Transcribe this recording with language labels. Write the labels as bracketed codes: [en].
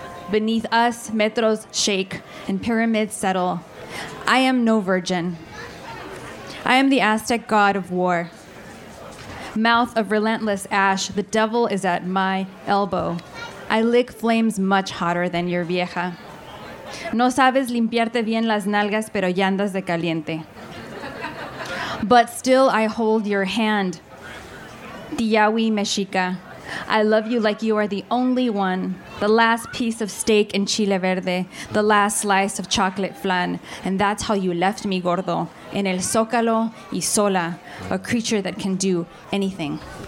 [en] Beneath us, metros shake and pyramids settle. I am no virgin. I am the Aztec god of war. Mouth of relentless ash, the devil is at my elbow. I lick flames much hotter than your vieja. [es] No sabes limpiarte bien las nalgas, pero ya andas de caliente. [en] But still I hold your hand, Tiawi Mexica. I love you like you are the only one, the last piece of steak and chile verde, the last slice of chocolate flan, and that's how you left me, [es] gordo, en el zócalo y sola, [en] a creature that can do anything.